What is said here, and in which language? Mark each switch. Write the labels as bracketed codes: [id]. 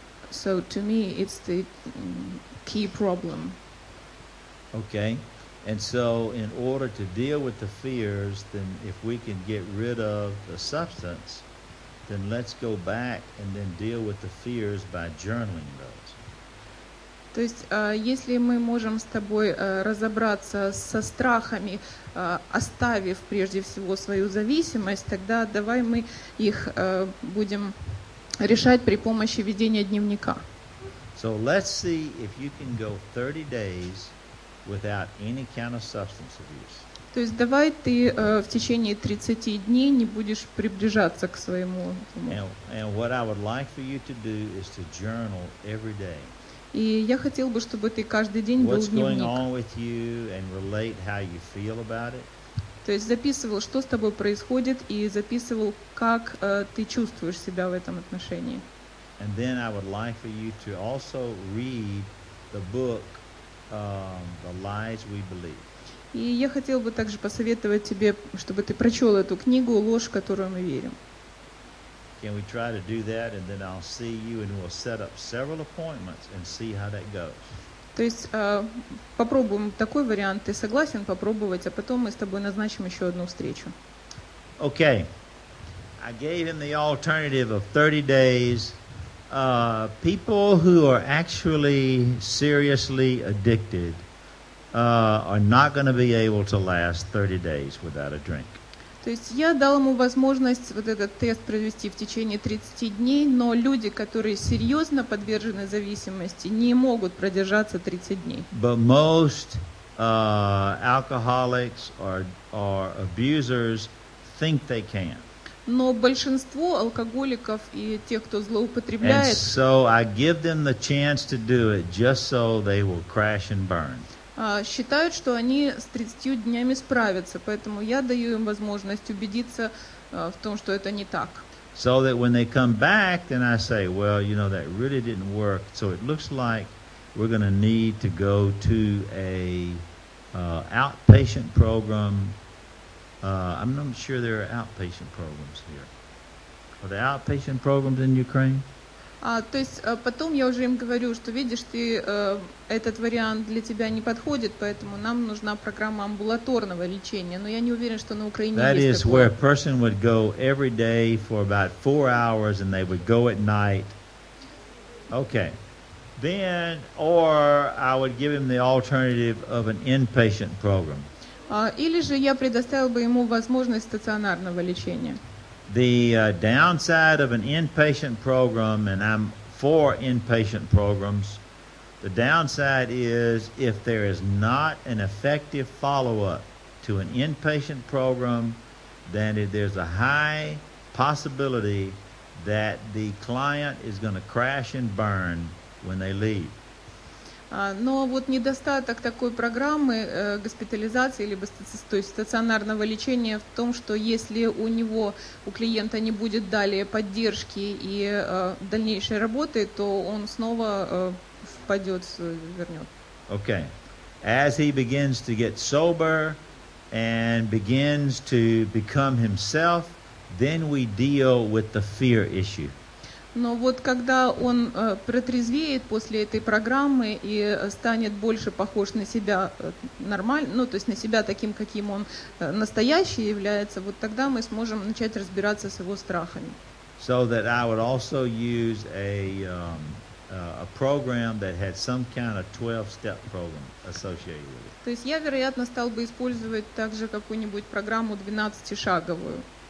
[en] So to me, it's the key problem. Okay. And so in order to deal with the fears, then if we can get rid of the substance, then let's go back and then deal with the fears by journaling those. [ru] То есть, если мы можем с тобой разобраться со страхами, оставив прежде всего свою зависимость, тогда давай мы их будем решать при помощи ведения дневника. [en] So let's see if you can go 30 days without any kind of substance abuse. [ru] То есть давай ты в течение 30 дней не будешь приближаться к своему. [en] And what I would like for you to do is to journal every day. [ru] И я хотел бы, чтобы ты каждый день вел дневник. [en] What's going on with you and relate how you feel about it. [ru] То есть записывал, что с тобой происходит, и записывал, как ты чувствуешь себя в этом отношении. [en] And then I would like for you to also read the book The Lies We Believe. [ru] И я хотел бы также посоветовать тебе, чтобы ты прочел эту книгу «Ложь, которую мы верим». [en] Can we try to do that, and then I'll see you, and we'll set up several appointments and see how that goes. [ru] То есть попробуем такой вариант. Ты согласен попробовать, а потом мы с тобой назначим еще одну встречу. [en] Okay. I gave him the alternative of 30 days. People who are actually seriously addicted are not going to be able to last 30 days without a drink. [ru] То есть я дал ему возможность вот этот тест провести в течение 30 дней, но люди, которые серьезно подвержены зависимости, не могут продержаться 30 дней. [en] But most alcoholics or abusers think they can. [ru] Но большинство алкоголиков и тех, кто злоупотребляет. [en] And so I give them the chance to do it just so they will crash and burn. [ru] Считают, что они с 30 днями справятся, поэтому я даю им возможность убедиться в том, что это не так. [en] So that when they come back, then I say, well, you know, that really didn't work. So it looks like we're going to need to go to a outpatient program. I'm not sure there are outpatient programs here. Are there outpatient programs in Ukraine? [ru] То есть потом я уже им говорю, что видишь, ты этот вариант для тебя не подходит, поэтому нам нужна программа амбулаторного лечения. Но я не уверен, что на Украине [en] that [ru] есть. [en] That is [ru] такое. [en] Where a person would go every day for about 4 hours, and they would go at night. Okay, then, or I would give him the alternative of an inpatient program. [ru] Или же я предоставил бы ему возможность стационарного лечения. [en] The downside of an inpatient program, and I'm for inpatient programs, the downside is if there is not an effective follow-up to an inpatient program, then there's a high possibility that the client is going to crash and burn when they leave. [ru] Но вот недостаток такой программы госпитализации либо стационарного лечения в том, что если у него, у клиента не будет далее поддержки и дальнейшей работы, то он снова впадет, вернет. [en] Okay. As he begins to get sober and begins to become himself, then we deal with the fear issue. [ru] Но вот когда он протрезвеет после этой программы и станет больше похож на себя нормально, ну, то есть на себя таким, каким он настоящий является, вот тогда мы сможем начать разбираться с его страхами. [en] So that I would also use a program that had some kind of 12-step program associated with it. [ru] То есть я, вероятно, стал бы использовать также какую-нибудь программу 12-шаговую.